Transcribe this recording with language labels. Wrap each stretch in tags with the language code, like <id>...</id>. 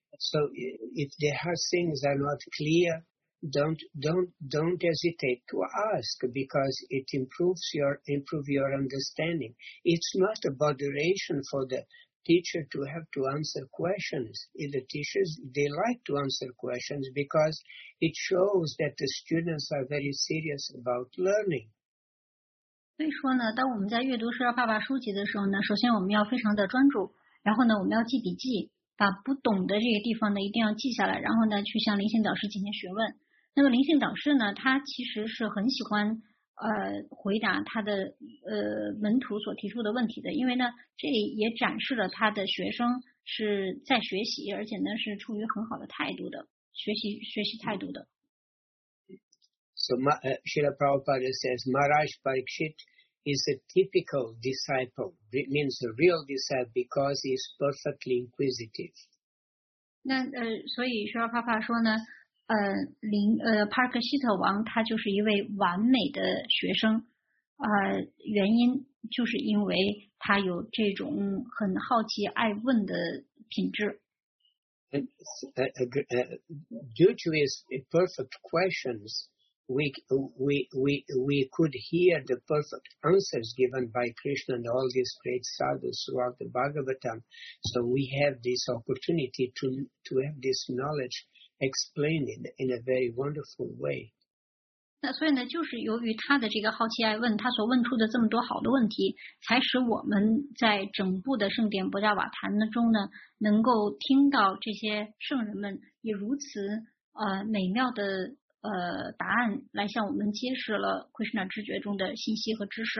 <en>So if there are things that are not clear, don't hesitate to ask, because it improves your understanding. It's not a botheration for theteacher to have to answer questions. The teachers, they like to answer questions because it shows that the students are very serious about learning.</en> <zh>所以说呢，当我们在阅读Srila Prabhupada书籍的时候呢，首先我们要非常的专注，然后呢，我们要记笔记，把不懂的这个地方呢，一定要记下来，然后呢，去向灵性导师进行询问。那么灵性导师呢，他其实是很喜欢回答他的门徒所提出的问题的，因为呢，这也展示了他的学生是在学习，而且呢是出于很好的态度的，学习态度的。</zh> <en>So Srila Prabhupada says, Maharaj Parikshit is a typical disciple. It means a real disciple because he is perfectly inquisitive.</en> <zh>那所以Srila Prabhupada说呢。帕克希特王他就是一位完美的学生，原因就是因为他有这种很好奇爱问的品质。</zh> <en>Due to his perfect questions, we could hear the perfect answers given by Krishna and all these great sadhus throughout the Bhagavatam. So we have this opportunity to have this knowledge. Explain it in a very wonderful way.</en> <zh>那所以呢，就是由于他的这个好奇爱问，他所问出的这么多好的问题，才使我们在整部的圣典博加瓦坛中呢，能够听到这些圣人们以如此美妙的答案来向我们揭示了 Krishna 知觉中的信息和知识。</zh>